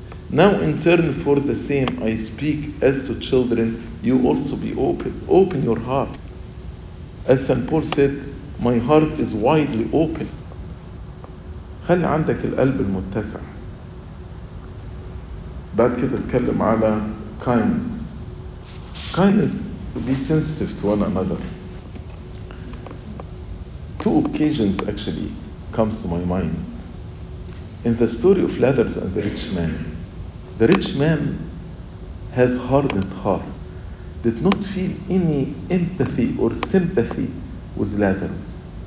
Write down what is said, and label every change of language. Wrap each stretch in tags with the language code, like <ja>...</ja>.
<en>Now in turn for the same, I speak as to children, you also be open. Open your heart. As St. Paul said, my heart is widely open.</en> <ar>خلي عندك القلب المتسع. بعد كده اتكلم على kindness.</ar> <en>Kindness to be sensitive to one another. Two occasions actually comes to my mind. In the story of Lazarus and the rich man, the rich man has hardened heart, did not feel any empathy or sympathy with Lazarus.</en>